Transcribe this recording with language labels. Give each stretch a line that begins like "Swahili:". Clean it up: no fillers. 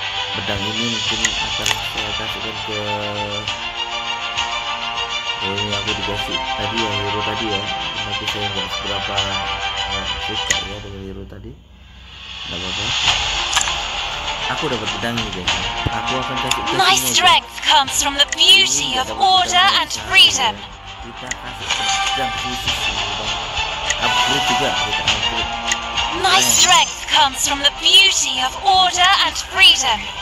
Indonesian: Pedang ini mungkin akan saya kasihkan ke yang aku dikasih tadi ya, hero tadi ya. Tapi saya nggak seberapa suka ya dengan hero tadi. Nggak apa-apa. Aku dapat pedang ini guys. Aku akan kasih ke
English: My strength ya. Comes from the beauty of order and freedom.
Indonesian: Kita kasih pedang khusus. Upgrade juga kita upgrade.
English: My strength comes from the beauty of order and freedom.